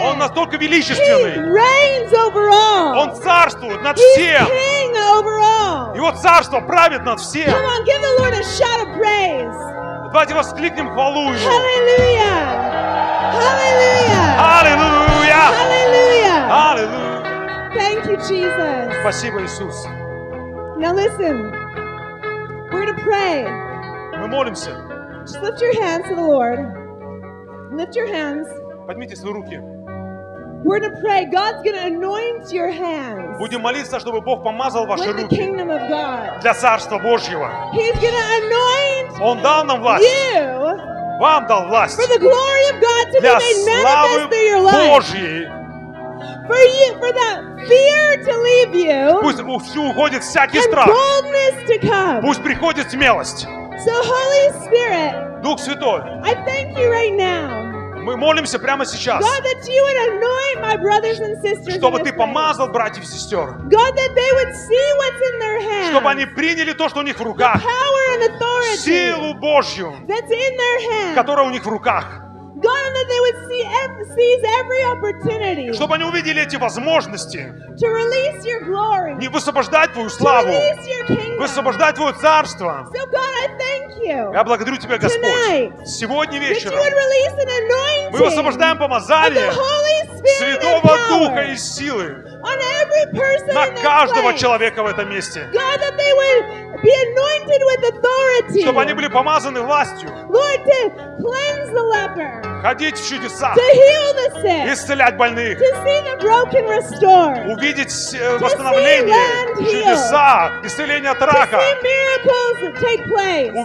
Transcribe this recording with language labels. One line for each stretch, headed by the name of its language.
Russian: Он настолько величественный.
English: He reigns over all.
Russian: Он царствует над
English: He's
Russian: всем.
English: He's king over all.
Russian: Его царство правит над всем.
English: Come on, give the Lord a shout of praise.
Russian: Давайте воскликнем хвалу Ему. Аллилуйя! Аллилуйя! Аллилуйя! Аллилуйя! Аллилуйя!
English: Thank you, Jesus.
Russian: Спасибо, Иисус.
English: Now listen. We're going to pray.
Russian: Мы молимся.
English: Just lift your hands to the Lord. Lift your hands.
Russian: Поднимите свои руки.
English: We're going to pray. God's going to anoint your hands.
Russian: Будем молиться, чтобы Бог помазал ваши руки.
English: With the kingdom of God.
Russian: Для царства Божьего.
English: He's going to anoint.
Russian: Он дал нам власть.
English: You.
Russian: Вам дал власть.
English: For the glory of God to
Russian: для
English: be made manifest through your life.
Russian: Для славы Божьей.
English: For you, for that fear to leave you.
Russian: Пусть уходит всякий страх.
English: And boldness to come.
Russian: Пусть приходит смелость.
English: So Holy Spirit.
Russian: Дух Святой.
English: I thank you right now.
Russian: Мы молимся прямо сейчас.
English: God, that you would anoint my brothers and sisters.
Russian: Чтобы Ты помазал братьев и сестер.
English: God, that they would see what's in their hands.
Russian: Чтобы они приняли то, что у них в руках.
English: The power and authority.
Russian: Силу Божью.
English: That's in their hands.
Russian: Которая у них в руках.
English: God, that they would seize every opportunity.
Russian: Чтобы они увидели эти возможности.
English: To release your glory.
Russian: Не высвобождать Твою славу.
English: To release your kingdom.
Russian: Высвобождать Твое царство.
English: So God, I thank you.
Russian: Я благодарю Тебя, Господь.
English: Tonight,
Russian: сегодня вечером.
English: That you would release an anointing.
Russian: Мы высвобождаем помазание.
English: The Holy Spirit
Russian: Святого
English: and power.
Russian: Духа и силы.
English: On every person
Russian: на каждого человека в этом месте.
English: God, that they would be anointed with authority.
Russian: Чтобы они были помазаны властью.
English: Lord, to cleanse the leper.
Russian: Ходить в чудеса.
English: To heal the sick.
Russian: Исцелять больных.
English: To see the broken restored.
Russian: Увидеть восстановление.
English: To see
Russian: чудеса. Исцеление от рака.
English: To see miracles take place.